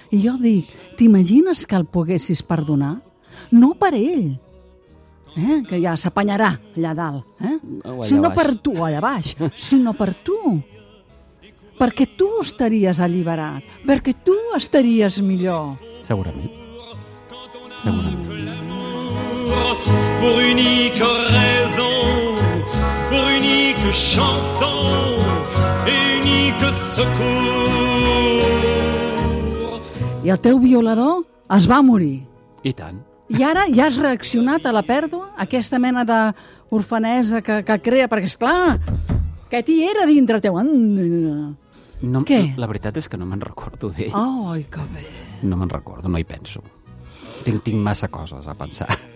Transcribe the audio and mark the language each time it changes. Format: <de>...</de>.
<ca>I jo dic, t'imagines que el poguessis perdonar? No per ell. Que ja s'apanyarà allà dalt, sinó per tu, allà baix, sinó per tu, perquè tu estaries alliberat, perquè tu estaries millor. Segurament.</ca> <fr>Pour unique raison, pour unique chanson, unique secours.</fr> <ca>I el teu violador es va morir. I tant. I ara ja has reaccionat a la pèrdua, aquesta mena d'orfanesa que crea, perquè, és clar, que t'hi era dintre teu. No, què? La veritat és que no me'n recordo d'ell. Ai, que bé. No me'n recordo, no hi penso. Tinc massa coses a pensar.</ca>